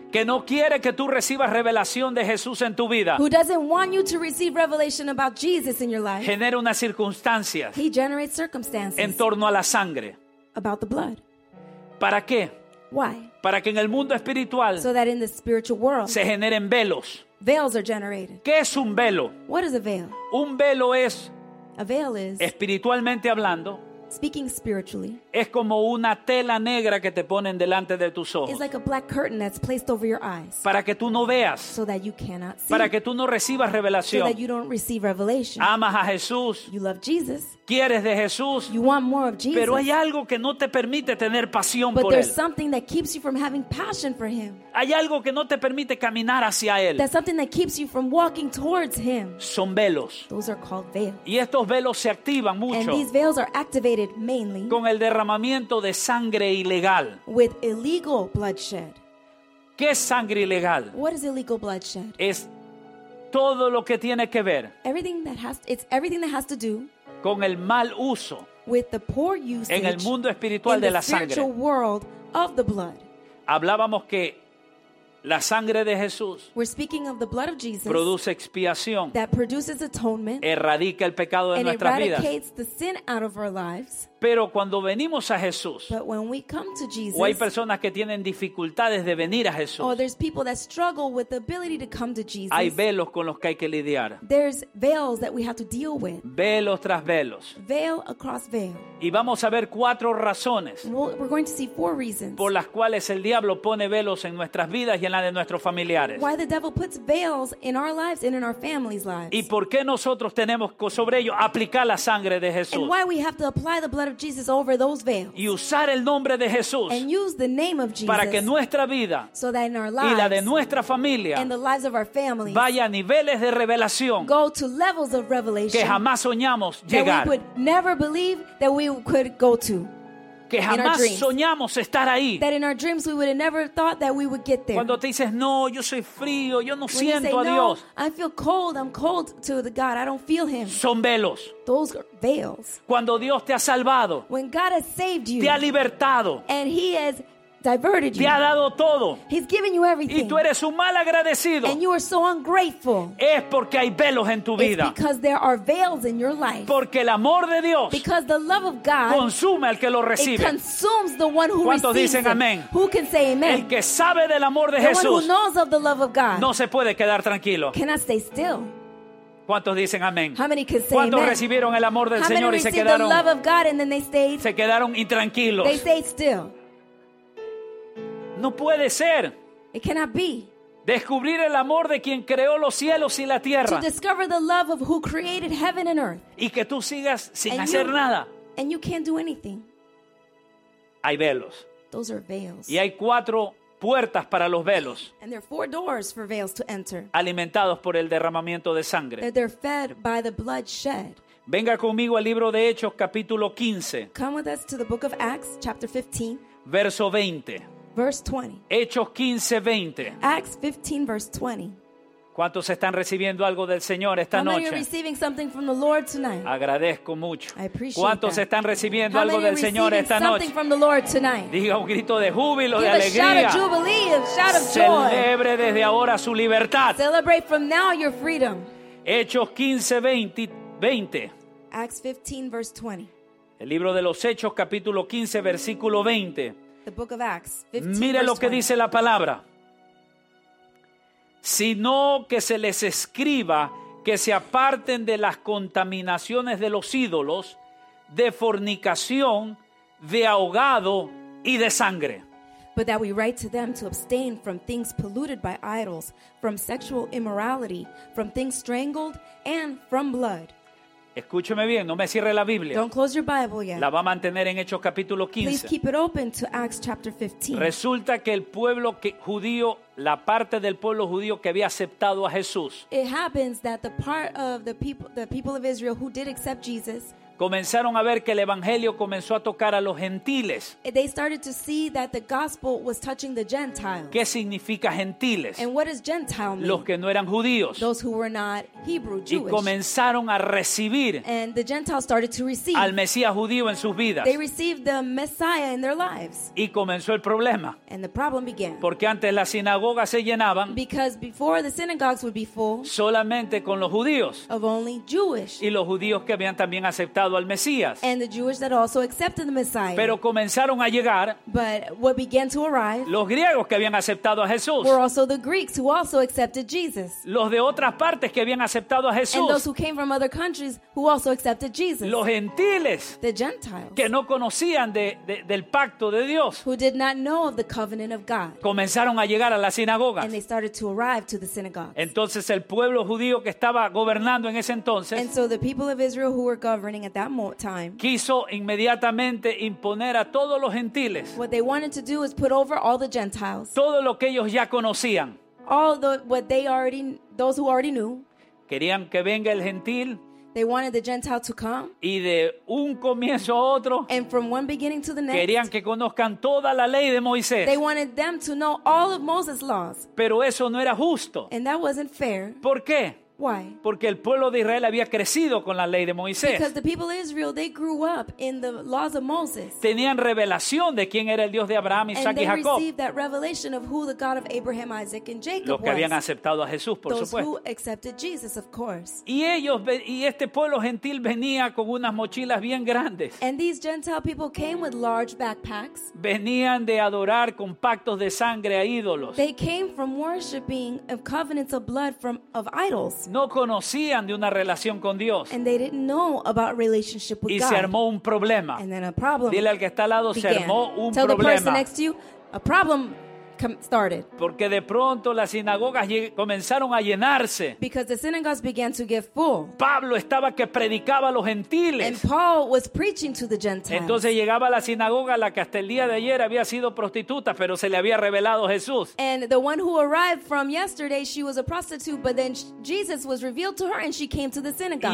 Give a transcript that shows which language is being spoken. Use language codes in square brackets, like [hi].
[es] que no quiere que tú recibas revelación de Jesús en tu vida, [en] who doesn't want you to receive revelation about Jesus in your life, [es] genera unas circunstancias, [en] he generates circumstances, [es] en torno a la sangre, [en] about the blood. [es] ¿Para qué? [en] Why? [es] Para que en el mundo espiritual, [en] so that in the spiritual world, [es] se generen velos. [en] Veils are generated. [es] ¿Qué es un velo? [en] What is a veil? [es] Un velo es, [en] a veil is, [es] espiritualmente hablando, [en] speaking spiritually, [es] es como una tela negra que te ponen delante de tus ojos. [en] It's like a black curtain that's placed over your eyes. [es] Para que tú no veas. [en] So that you cannot see. [es] Para que tú no recibas revelación. [en] So that you don't receive revelation. [es] Amas a Jesús. [en] You love Jesus. [es] Quieres de Jesús. [en] You want more of Jesus. [es] Pero hay algo que no te permite tener pasión por él. [en] But there's something that keeps you from having passion for him. [es] Hay algo que no te permite caminar hacia él. [en] There's something that keeps you from walking towards him. [es] Son velos. [en] Those are called veils. [es] Y estos velos se activan mucho. [en] And these veils are activated mainly [es] con el derramamiento de sangre ilegal. [en] With illegal bloodshed. [es] ¿Qué es sangre ilegal? [en] What is illegal bloodshed? [es] Es todo lo que tiene que ver. [en] Everything that has, it's everything that has to do [es] con el mal uso. [en] With the poor usage [es] en el mundo espiritual de la sangre. [en] In the spiritual world of the blood. [es] Hablábamos que la sangre de Jesús, [en] we're speaking of the blood of Jesus, [es] produce expiación, [en] that produces atonement, [es] erradica el pecado de [en] and [es] nuestras vidas, [en] eradicates the sin out of our lives. [es] Pero cuando venimos a Jesús, [en] but when we come to Jesus, [es] o hay personas que tienen dificultades de venir a Jesús, [en] or there's people that struggle with the ability to come to Jesus, [es] hay velos con los que hay que lidiar. [en] There's veils that we have to deal with. [es] Velos tras velos. [en] Veil across veil. [es] Y vamos a ver cuatro razones. [en] We're going to see four reasons [es] por las cuales el diablo pone velos en nuestras vidas y en la de nuestros familiares. [en] Why the devil puts veils in our lives and in our families' lives. [es] Y por qué nosotros tenemos sobre ello aplicar la sangre de Jesús. [en] And why we have to apply the blood of Jesus over those veils. [es] Y usar el nombre de Jesús. [en] And use the name of Jesus. [es] Para que nuestra vida, [en] so that in our lives, [es] y la de nuestra familia, [en] and the lives of our families, [es] vaya a niveles de revelación, [en] go to levels of revelation, [es] que jamás soñamos llegar. [en] That we would never believe that we could go to. [es] Que jamás soñamos estar ahí. [en] That in our dreams we would have never thought that we would get there. [es] Cuando te dices, no, yo soy frío, yo no [en] when [es] siento [en] say, [es] a Dios. [en] No, I feel cold, I'm cold to the God, I don't feel him. [es] Son velos. [en] Those are veils. [es] Cuando Dios te ha salvado. [en] When God has saved you. [es] Te ha libertado. [en] And he has diverted you. [es] Te ha dado todo. [en] He's given you everything. [es] Y tú eres un mal agradecido. [en] And you are so ungrateful. [es] Es porque hay velos en tu vida. [en] It's because there are veils in your life. [es] Porque el amor de Dios, [en] because the love of God, [es] consume al que lo recibe. [en] It consumes the one who receives. [es] ¿Cuántos dicen amén? [en] Who can say amen? [es] El que sabe del amor de Jesús, [en] the one who knows of the love of God, [es] no se puede quedar tranquilo. [en] Cannot stay still. [es] ¿Cuántos dicen amén? [en] How many can say [es] ¿cuántos [en] amen? [es] Recibieron el amor del [en] how [es] Señor y se quedaron? [en] The love of God and then they stayed, [es] se quedaron intranquilos. [en] They stayed still. [es] No puede ser. [en] It cannot be. [es] Descubrir el amor de quien creó los cielos y la tierra. [en] To discover the love of who created heaven and earth. [es] Y que tú sigas sin and hacer you, nada. [en] And you can't do anything. [es] Hay velos. [en] Those are veils. [es] Y hay cuatro puertas para los velos. [en] And there are four doors for veils to enter. [es] Alimentados por el derramamiento de sangre. [en] That they're fed by the blood shed. [es] Venga conmigo al libro de Hechos capítulo 15. [en] Come with us to the book of Acts chapter 15. [es] Verso 20. [en] Verse 20. [es] Hechos 15, 20. [en] Acts 15, verse 20. [es] ¿Cuántos están recibiendo algo del Señor esta noche? [en] How many are receiving something from the Lord tonight? [es] Agradezco mucho. [en] I appreciate [es] ¿cuántos [en] that. [es] Están recibiendo algo del Señor esta noche? [en] Something from the Lord tonight? [es] Diga un grito de júbilo, [en] give [es] de alegría. [en] Shout of jubilee, shout of joy. [es] Celebre desde ahora su libertad. [en] Celebrate from now your freedom. [es] Hechos 15, 20. [en] Acts 15, verse 20. [es] El libro de los Hechos, capítulo 15, versículo 20. [en] The book of Acts, 15, [es] mira lo que dice la palabra, sino que se les escriba que se aparten de las contaminaciones de los ídolos, de fornicación, de ahogado y de sangre. [en] But that we write to them to abstain from things polluted by idols, from sexual immorality, from things strangled, and from blood. [es] Escúcheme bien, no me cierre la Biblia. [en] Don't close your Bible yet. [es] La va a mantener en Hechos capítulo 15. [en] Please keep it open to Acts chapter 15. [es] Resulta que el pueblo que, judío, la parte del pueblo judío que había aceptado a Jesús. [en] It happens that the part of the people of Israel who did accept Jesus. [es] comenzaron a ver que el evangelio comenzó a tocar a los gentiles. [en] They started to see that the gospel was touching the Gentiles. [es] ¿Qué significa gentiles? [en] And what does Gentile mean? [es] Los que no eran judíos. [en] Those who were not Hebrew, Jewish. [es] Y comenzaron a recibir. [en] And the Gentiles started to receive. [es] Al Mesías judío en sus vidas. [en] They received the Messiah in their lives. [es] Y comenzó el problema. [en] And the problem began. [es] Porque antes las sinagogas se llenaban. [en] Because before the synagogues would be full. [es] Solamente con los judíos. [en] Of only Jewish. [es] Y los judíos que habían también aceptado al Mesías. [en] And the Jewish that also accepted the Messiah. [es] Pero comenzaron a llegar. [en] But what began to arrive. [es] Los griegos que habían aceptado a Jesús. [en] Were also the Greeks who also accepted Jesus. [es] Los de otras partes que habían aceptado a Jesús. [en] And those who came from other countries who also accepted Jesus. [es] Los gentiles. [en] The Gentiles. [es] Que no conocían del pacto de Dios. [en] Who did not know of the covenant of God. [es] Comenzaron a llegar a las sinagogas. [en] And they started to arrive to the synagogues. [es] Entonces el pueblo judío que estaba gobernando en ese entonces. [en] And so the people of Israel who were governing at that time. [es] Quiso inmediatamente imponer a todos los gentiles. [en] What they wanted to do is put over all the Gentiles. [es] Todo lo que ellos ya conocían. [en] All those who already knew. [es] Querían que venga el gentil. [en] They wanted the Gentile to come. [es] Y de un comienzo a otro. [en] And from one beginning to the next. [es] Querían que conozcan toda la ley de Moisés. [en] They wanted them to know all of Moses' laws. [es] Pero eso no era justo. [en] And that wasn't fair. [es] ¿Por qué? [en] Why? [es] Porque el pueblo de Israel había crecido con la ley de Moisés. [en] Because the people of Israel, they grew up in the laws of Moses. [es] Tenían revelación de quién era el Dios de Abraham, Isaac y Jacob. [en] And they received that revelation of who the God of Abraham, Isaac and Jacob was. [es] Los que habían aceptado a Jesús, por supuesto. [en] Those who accepted Jesus, of course. [es] Y este pueblo gentil venía con unas mochilas bien grandes. [en] And these Gentile people came with large backpacks. [es] Venían de adorar con pactos de sangre a ídolos. [en] They came from worshiping of covenants of blood of idols. [es] No conocían de una relación con Dios. [en] And they didn't know about relationship with [es] God. Y se armó un problema. [en] And then a problem. [es] Dile al que está al lado, [en] began. [es] Se armó un [en] Tell [es] problema. [en] The person next to you, a problem started. [es] Porque de pronto las sinagogas comenzaron a llenarse. [en] Because the synagogues began to get full. [es] Pablo estaba que predicaba a los gentiles. [en] And Paul was preaching to the Gentiles. [es] Entonces llegaba a la sinagoga la que hasta el día de ayer había sido prostituta, pero se le había revelado Jesús. [en] And the one who arrived from yesterday, she was a prostitute, but then Jesus was revealed to her and she came to the synagogue.